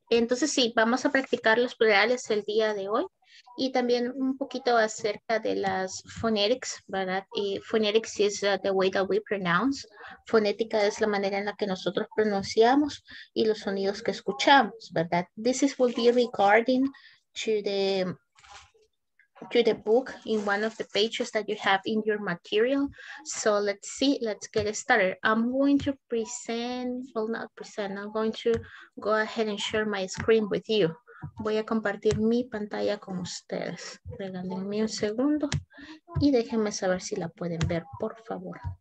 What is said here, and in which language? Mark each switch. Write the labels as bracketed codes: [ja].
[es] Entonces sí, vamos a practicar los plurales el día de hoy y también un poquito acerca de las phonetics, ¿verdad? Phonetics is the way that we pronounce. Fonética es la manera en la que nosotros pronunciamos y los sonidos que escuchamos, ¿verdad? [en] This is will be regarding to the book in one of the pages that you have in your material. So let's see, let's get started. I'm going to go ahead and share my screen with you. [es] Voy a compartir mi pantalla con ustedes. Regálenme un segundo y déjenme saber si la pueden ver, por favor.